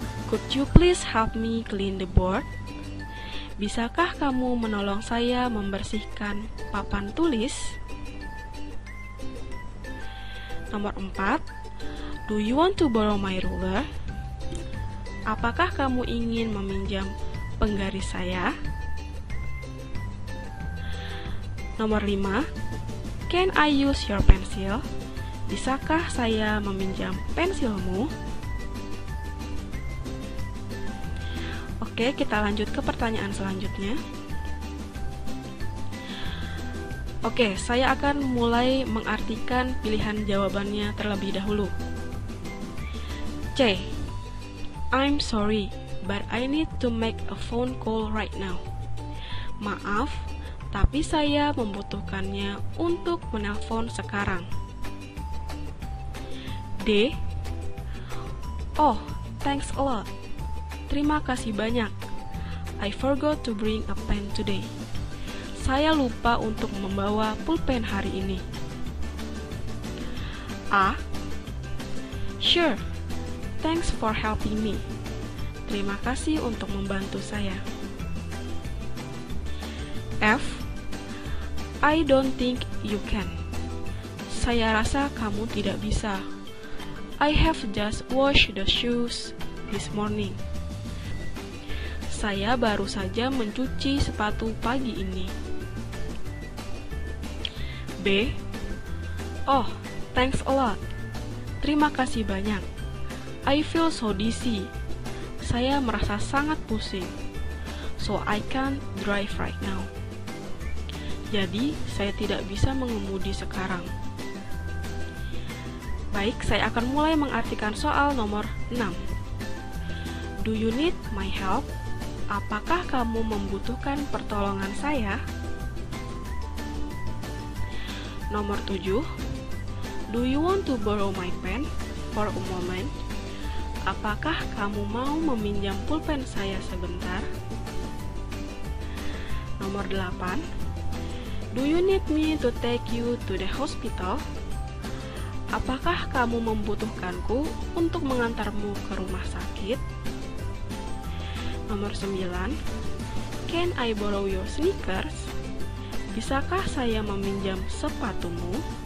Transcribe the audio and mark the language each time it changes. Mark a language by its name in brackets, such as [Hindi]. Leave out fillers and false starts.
[English] Could you please help me clean the board? [Indonesian] Bisakah kamu menolong saya membersihkan papan tulis? Nomor 4. [English] Do you want to borrow my ruler? [Indonesian] Apakah kamu ingin meminjam penggaris saya? Nomor 5. [English] Can I use your pencil? [Indonesian] Bisakah saya meminjam pensilmu? Oke, kita lanjut ke pertanyaan selanjutnya. Oke, saya akan mulai mengartikan pilihan jawabannya terlebih dahulu. C. [English] I'm sorry, but I need to make a phone call right now. [Indonesian] Maaf, tapi saya membutuhkannya untuk menelpon sekarang. [English] D. Oh, thanks a lot. [Indonesian] Terima kasih banyak. [English] I forgot to bring a pen today. [Indonesian] Saya lupa untuk membawa pulpen hari ini. [English] A. Sure. Thanks for helping me. [Indonesian] Terima kasih untuk membantu saya. [English] F. I don't think you can. [Indonesian] Saya rasa kamu tidak bisa. [English] I have just washed the shoes this morning. [Indonesian] Saya baru saja mencuci sepatu pagi ini. [English] B. Oh, thanks a lot. [Indonesian] Terima kasih banyak. [English] I feel so dizzy. [Indonesian] Saya merasa sangat pusing. [English] So I can't drive right now. [Indonesian] Jadi, saya tidak bisa mengemudi sekarang. Baik, saya akan mulai mengartikan soal nomor 6. [English] Do you need my help? [Indonesian] Apakah kamu membutuhkan pertolongan saya? Nomor 7. [English] Do you want to borrow my pen for a moment? [Indonesian] Apakah kamu mau meminjam pulpen saya sebentar? Nomor 8. [English] Do you need me to take you to the hospital? [Indonesian] Apakah kamu membutuhkanku untuk mengantarmu ke rumah sakit? Nomor 9. [English] Can I borrow your sneakers? [Indonesian] Bisakah saya meminjam sepatumu?